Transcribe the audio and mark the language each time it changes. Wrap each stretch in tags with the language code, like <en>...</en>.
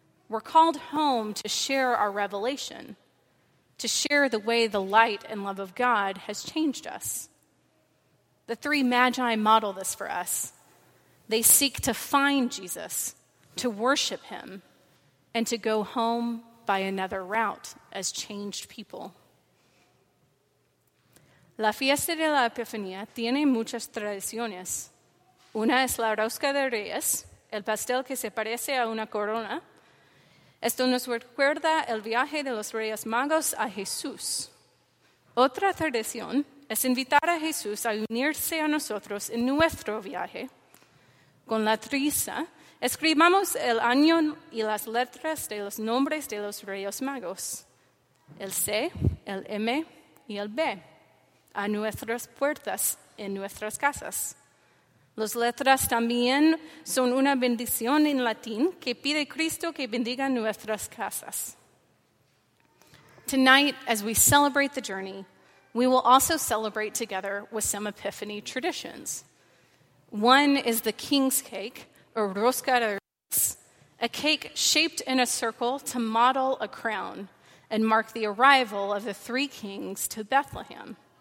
<en>We're called home to share our revelation, to share the way the light and love of God has changed us. The three Magi model this for us. They seek to find Jesus, to worship him, and to go home by another route as changed people.</en> <es>La fiesta de la Epifanía tiene muchas tradiciones. Una es la rosca de Reyes, el pastel que se parece a una corona. Esto nos recuerda el viaje de los Reyes Magos a Jesús. Otra tradición es invitar a Jesús a unirse a nosotros en nuestro viaje. Con la trisa, escribamos el año y las letras de los nombres de los Reyes Magos, el C, el M y el B, a nuestras puertas en nuestras casas. Las letras también son una bendición en latín que pide Cristo que bendiga nuestras casas.</es> <en>Tonight, as we celebrate the journey, we will also celebrate together with some Epiphany traditions. One is the king's cake, or rosca de reyes, a cake shaped in a circle to model a crown and mark the arrival of the three kings to Bethlehem.</en>